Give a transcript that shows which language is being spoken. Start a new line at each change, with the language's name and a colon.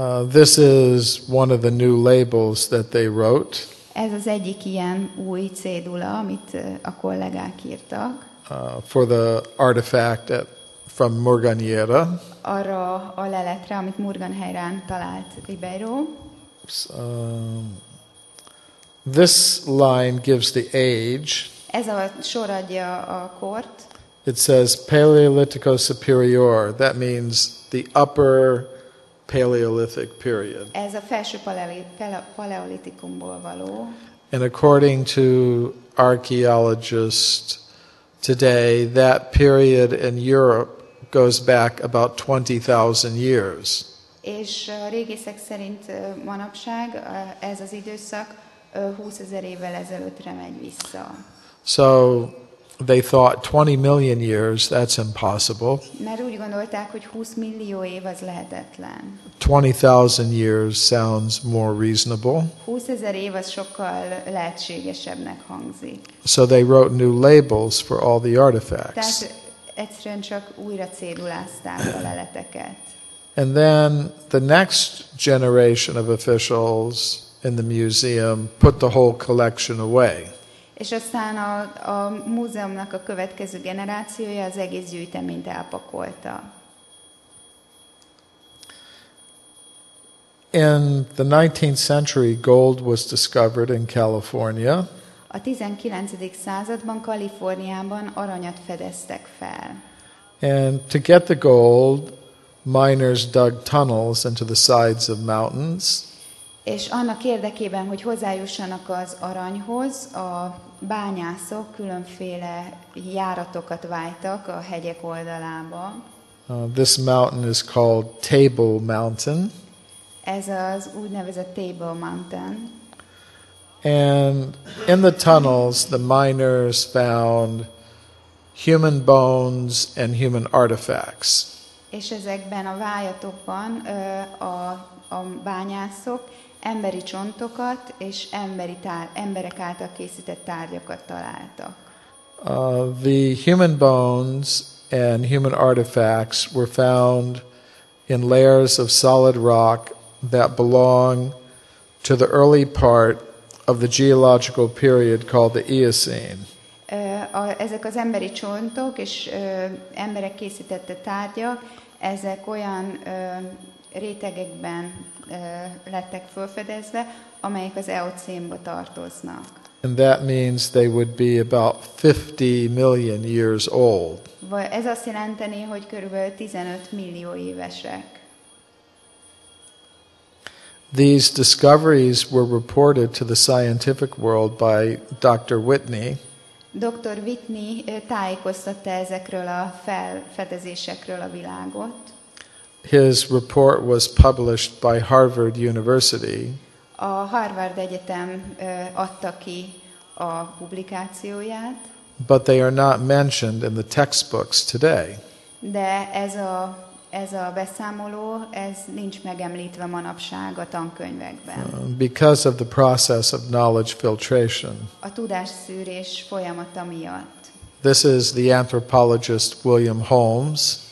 English: This is one of the new labels that they wrote.
Hungarian: Ez az egyik ilyen új cédula, amit a kollégák írtak.
English: For the artifact from Morganheira.
Hungarian: Arra a leletre, amit Morganheirán talált Ribeiro.
English: This line gives the age.
Hungarian: Ez a sor adja a kort.
English: It says Paleolitico Superior. That means the upper Paleolithic period.
Hungarian: Ez a felső paleolitikumból való.
English: And according to archaeologists today, that period in Europe goes back about 20,000 years.
Hungarian: És a régészek szerint manapság ez az időszak 20,000 évvel ezelőttre megy vissza.
English: So they thought 20 million years, that's impossible.
Hungarian: Mert úgy gondolták, hogy 20 millió év az lehetetlen.
English: 20,000 years sounds more reasonable.
Hungarian: 20,000 év az sokkal lehetségesebbnek hangzik.
English: So they wrote new labels for all the artifacts.
Hungarian: Tehát egyszerűen csak újra cédulázták a leleteket.
English: And then the next generation of officials in the museum put the whole collection away.
Hungarian: És aztán a múzeumnak a következő generációja az egész gyűjteményt elpakolta.
English: In the 19th century, gold was discovered in California.
Hungarian: A 19. században Kaliforniában aranyat fedeztek fel.
English: And to get the gold, miners dug tunnels into the sides of mountains.
Hungarian: És annak érdekében, hogy hozzájussanak az aranyhoz, a bányászok különféle járatokat vájtak a hegyek oldalába.
English: This mountain is called Table Mountain.
Hungarian: Ez az úgynevezett Table Mountain.
English: And in the tunnels, the miners found human bones and human artifacts.
Hungarian: És ezekben a vájatokban a bányászok emberi csontokat és emberi emberek által készített tárgyakat találtak.
English: The human bones and human artifacts were found in layers of solid rock that belong to the early part of the geological period called the Eocene.
Hungarian: Ezek az emberi csontok és emberek készítette tárgyak, ezek olyan rétegekben lettek felfedezve, amelyek az Eocénba tartoznak.
English: And that means they would be about 50 million years old.
Hungarian: Ez azt jelenteni, hogy körülbelül 15 millió évesek.
English: These discoveries were reported to the scientific world by Dr. Whitney.
Hungarian: Dr. Whitney tájékoztatta ezekről a felfedezésekről a világot.
English: His report was published by Harvard University.
Hungarian: A Harvard Egyetem adta ki a publikációját.
English: But they are not mentioned in the textbooks today.
Hungarian: De ez a beszámoló, ez nincs megemlítve manapság a tankönyvekben.
English: Because of the process of knowledge filtration.
Hungarian: A tudásszűrés folyamata miatt.
English: This is the anthropologist William Holmes.